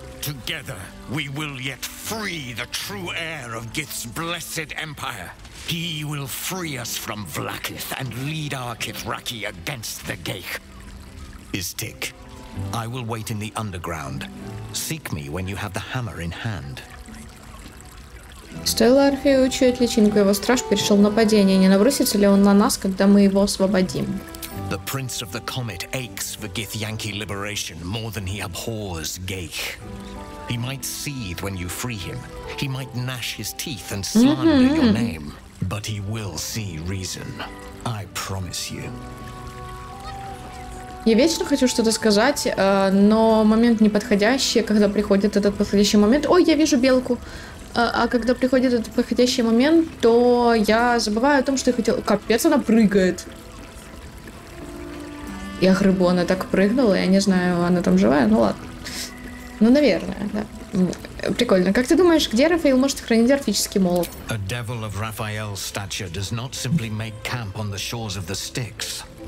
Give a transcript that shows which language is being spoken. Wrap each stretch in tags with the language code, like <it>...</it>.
<en>Together, we will yet free the true heir of Gith's blessed empire. He will free us from Vlakith and lead our Kithraki against the Geich. Istik, I will wait in the underground. Seek me when you have the hammer in hand.</en> <ru>Стоило Орфею учуять личинку, его страж перешел в нападение. Не набросится ли он на нас, когда мы его освободим?</ru> <en>The Prince of the Comet aches for Githyanki liberation more than he abhors Geich. He might seethe when you free him. He might gnash his teeth and slander mm-hmm. your name. But he will see reason. I promise you.</en> <ru>Я вечно хочу что-то сказать, но момент неподходящий, когда приходит этот подходящий момент. Ой, я вижу белку. А когда приходит этот подходящий момент, то я забываю о том, что я хотел... Капец, она прыгает. Я хрыбу, она так прыгнула, я не знаю, она там живая, ну ладно. Ну, наверное, да. Прикольно. Как ты думаешь, где Рафаэл может хранить орфический молот?</ru> <en>A devil of Raphael's stature does not simply make camp on the shores of the Styx.</en>